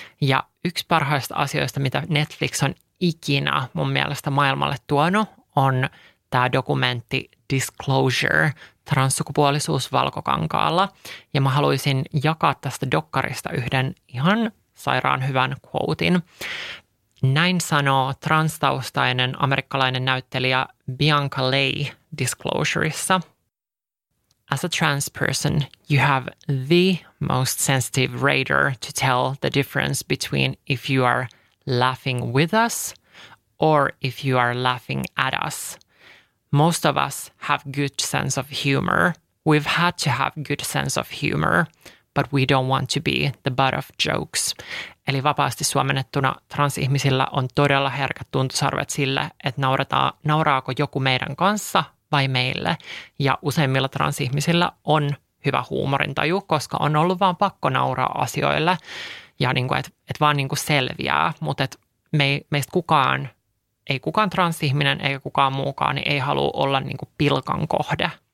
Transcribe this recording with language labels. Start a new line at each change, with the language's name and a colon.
Finnish: Ja yksi parhaista asioista, mitä Netflix on ikinä mun mielestä maailmalle tuonut, on tämä dokumentti Disclosure, transsukupuolisuus Valkokankaalla. Ja mä haluaisin jakaa tästä dokkarista yhden ihan sairaan hyvän quotein. Näin sanoo transtaustainen amerikkalainen näyttelijä Bianca Lay Disclosureissa.
English: As a trans person, you have the most sensitive radar to tell the difference between if you are laughing with us or if you are laughing at us. Most of us have good sense of humor. We've had to have good sense of humor, but we don't want to be the butt of jokes.
Finnish: Eli vapaasti suomennettuna transihmisillä on todella herkät tuntosarvet sille, että nauraako joku meidän kanssa vai meille. Ja useimmilla transihmisillä on hyvä huumorintaju, koska on ollut vaan pakko nauraa asioille. Ja niin kuin, et vaan niin kuin selviää, mutta meistä kukaan, ei kukaan transihminen eikä kukaan muukaan, niin ei halua olla niin kuin pilkan kohde.